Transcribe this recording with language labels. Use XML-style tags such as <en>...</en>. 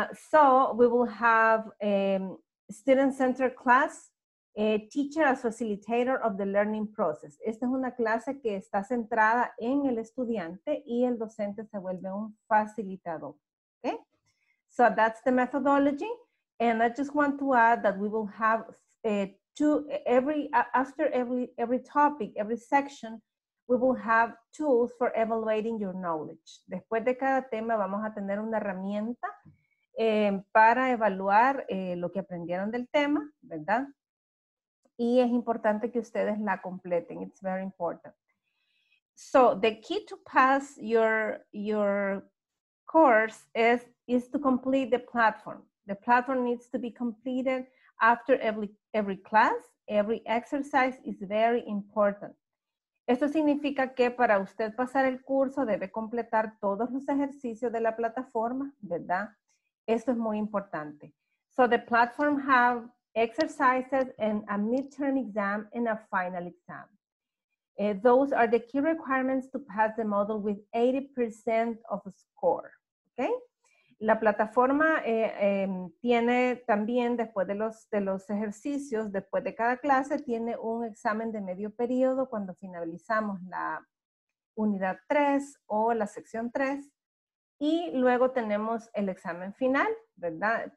<en>So, we will have a student-centered class, a teacher, a facilitator of the learning process.</en> <es>Esta es una clase que está centrada en el estudiante y el docente se vuelve un facilitador.</es> <en>Okay? So, that's the methodology. And I just want to add that we will have after every topic, every section, we will have tools for evaluating your knowledge.</en> <es>Después de cada tema vamos a tener una herramienta para evaluar lo que aprendieron del tema, ¿verdad? Y es importante que ustedes la completen.</es> <en>It's very important. So the key to pass your course is to complete the platform. The platform needs to be completed after every class. Every exercise is very important.</en> <es>Esto significa que para usted pasar el curso debe completar todos los ejercicios de la plataforma, ¿verdad? Esto es muy importante.</es> <en>So the platform have exercises and a midterm exam and a final exam. Those are the key requirements to pass the module with 80% of a score. Okay?</en> <es>La plataforma tiene también, después de los ejercicios, después de cada clase, tiene un examen de medio periodo cuando finalizamos la unidad 3 o la sección 3. Y luego tenemos el examen final, ¿verdad?</es>